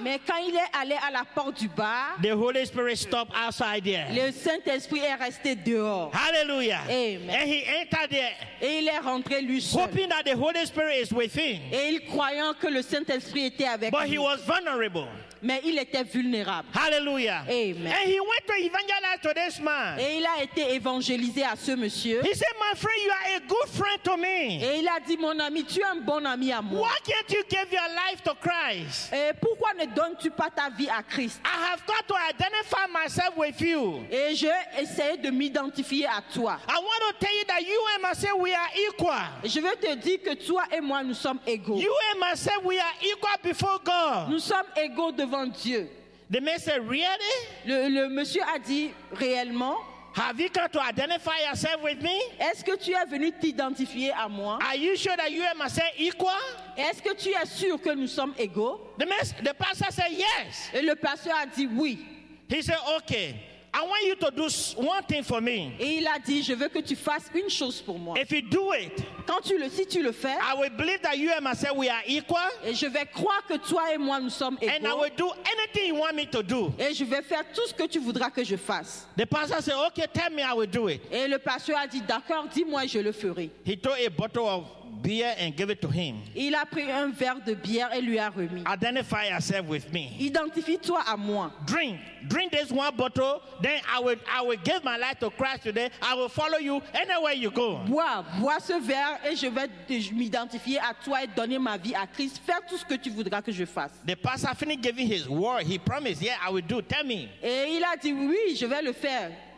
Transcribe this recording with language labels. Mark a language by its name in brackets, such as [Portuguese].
[French] mais quand il est allé à la porte du bar, [English] the Holy Spirit stopped outside there. [French] Le Saint-Esprit est resté dehors. [English] Hallelujah. Amen. And he entered there. [French] Et il est rentré lui seul. [English] Hoping that the Holy Spirit is with him. [French] Et il croyant que le Saint-Esprit était avec [English] but [French] lui. [English] He was vulnerable. [French] Mais il était vulnérable. [English] Hallelujah. Amen. And he went to evangelize to this man. [French] Et il a été évangélisé à ce monsieur. [English] He said, "My friend, you are a good friend to me." [French] Et il a dit, mon ami, tu es un bon ami à moi. [English] Why can't you give your life to Christ? [French] Et pourquoi ne donnes-tu pas ta vie à Christ? [English] I have got to identify myself with you. [French] Et je essaie de m'identifier à toi. [English] I want to tell you that you and myself we are equal. [French] Je veux te dire que toi et moi nous sommes égaux. [English] You and myself we are equal before God. [French] Nous sommes égaux devant Dieu. [English] The man said, "Really?" [French] Le monsieur a dit réellement. [English] Have you come to identify yourself with me? [French] Est-ce que tu es venu t'identifier à moi? [English] Are you sure that you and myself equal? [French] Est-ce que tu es sûr que nous sommes égaux? [English] The pastor said yes. [French] Et le pasteur a dit oui. [English] He said, "Okay, I want you to do one thing for me." [French] Et il a dit, je veux que tu fasses une chose pour moi. [English] If you do it, [French] quand tu le, si tu le fais, [English] I will believe that you and myself we are equal. [French] Et je vais croire que toi et moi nous sommes égaux. [English] And I will do anything you want me to do. [French] Et je vais faire tout ce que tu voudras que je fasse. [English] The pastor said, "Okay, tell me, I will do it." [French] Et le pasteur a dit, d'accord, dis-moi, je le ferai. [English] He took a bottle of beer and gave it to him. [French] Il a pris un verre de bière et lui a remis. [English] Identify yourself with me. [French] Identifie-toi à moi. [English] Drink this one bottle, then I will give my life to Christ today. I will follow you anywhere you go. [French] Bois ce verre et je vais m'identifier à toi et donner ma vie à Christ. Faire tout ce que tu voudras que je fasse. [English] The pastor finished giving his word. He promised, "Yeah, I will do. Tell me." [French] Et il a dit, oui, je vais le faire.